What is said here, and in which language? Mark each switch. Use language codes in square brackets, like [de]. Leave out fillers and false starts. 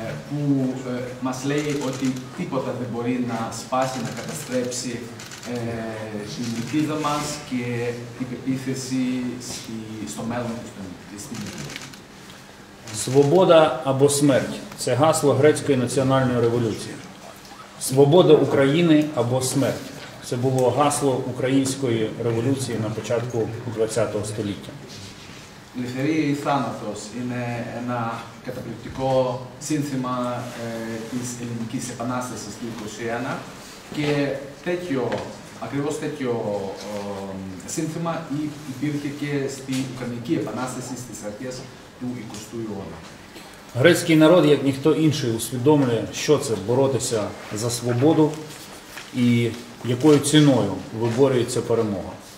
[el] που μας λέει ότι τίποτα δεν μπορεί να σπάσει, να καταστρέψει την ελπίδα μας και την πεποίθηση στο μέλλον της τύπου. [uk] Свобода або смерть – це гасло Грецької національної революції. Свобода України або смерть. Це було гасло української революції на початку ХХ століття. [el] Ελευθερία ή θάνατος είναι ένα καταπληκτικό σύνθημα της ελληνικής επανάστασης του 21 και τέτοιο, ακριβώς τέτοιο σύνθημα υπήρχε και στην Ουκρανική Επανάσταση στις αρχές του 20ου αιώνα. [uk] Грецький народ, як ніхто інший, усвідомлює, що це боротися за свободу і якою ціною виборюється перемога.